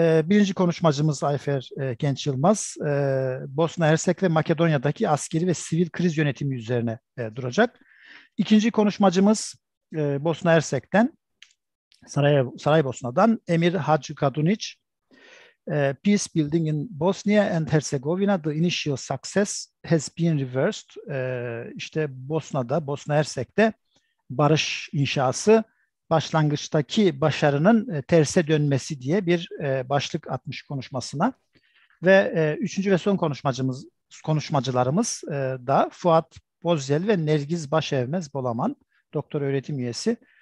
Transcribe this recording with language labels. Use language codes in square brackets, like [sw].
[tr] Birinci konuşmacımız Ayfer Genç Yılmaz, Bosna Hersek ve Makedonya'daki askeri ve sivil kriz yönetimi üzerine duracak. İkinci konuşmacımız Bosna Hersek'ten, Saraybosna'dan Emir Hacı Kadunic. [en] Peace building in Bosnia and Herzegovina, the initial success has been reversed. [tr] İşte Bosna Hersek'te barış inşası başlangıçtaki başarının terse dönmesi diye bir başlık atmış konuşmasına ve üçüncü ve son konuşmacılarımız da Fuat Bozyel ve Nergiz Başevmez Bolaman, doktor öğretim üyesi.